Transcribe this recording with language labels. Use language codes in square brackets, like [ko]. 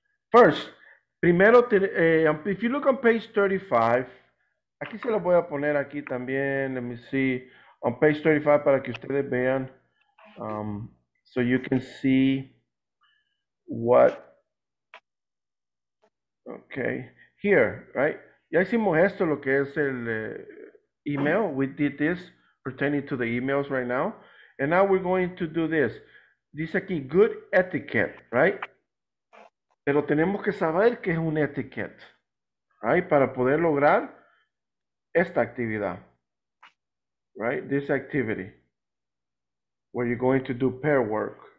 [en] First, [es] primero, [en] if you look on page 35, [es] aquí se lo voy a poner aquí también, [en] let me see, on page 35 [es] para que ustedes vean, [en] so you can see what, okay, here, right? [es] Ya hicimos esto, lo que es el email, [en] we did this pertaining to the emails right now, and now we're going to do this. [es] Dice aquí, [en] good etiquette, right? [es] Pero tenemos que saber qué es un etiquette, [en] right? [es] Para poder lograr esta actividad, [en] right? This activity, where you're going to do pair work.